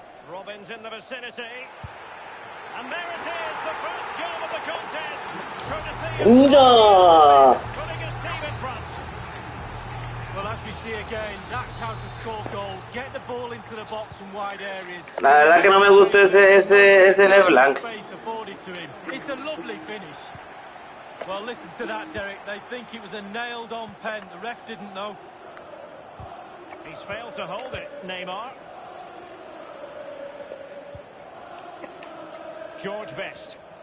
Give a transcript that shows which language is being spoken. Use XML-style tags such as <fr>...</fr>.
<en>Robins in the vicinity. And there it is, the first goal of the contest. Courtesy of putting his team in front. Well, as we see again, that's how to score goals. Get the ball into the box from wide areas.</en> <es>La verdad que no me gusta ese LeBlanc.</es> <en>It's a lovely finish. Well, listen to that, Derek. They think it was a nailed-on pen. The ref didn't know. He's failed to hold it, Neymar. George Best.</en>